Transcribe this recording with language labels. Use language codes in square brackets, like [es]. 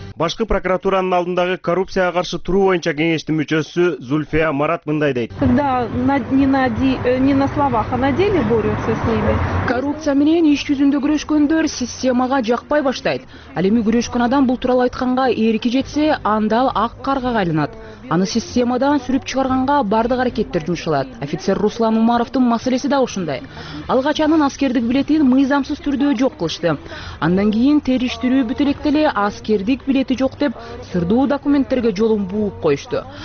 [ky] Башкы прокуратуранын алдындагы коррупцияга каршы туруу боюнча кеңештин мүчөсү Зульфия Марат мындай дейт. [ru] Когда не на словах, а на деле борются с ними. [ky] Коррупция менен иш жүзүндө күрөшкөндөр системага жакпай баштайт. Ал эми күрөшкөн адам бул тууралуу айтканга эрки жетсе, анда ал ак каргага айланат. Аны системадан сүрүп чыгарганга бардык аракеттер жумшалат. Офицер Руслан Умаровдун маселеси да ушундай. Алгач анын аскердик билетин мыйзамсыз түрдө жок кылышты. Андан кийин териштирүү бүтөлөктө эле аскердик билети жок деп сырдуу документтерге жолун бууп коюшту.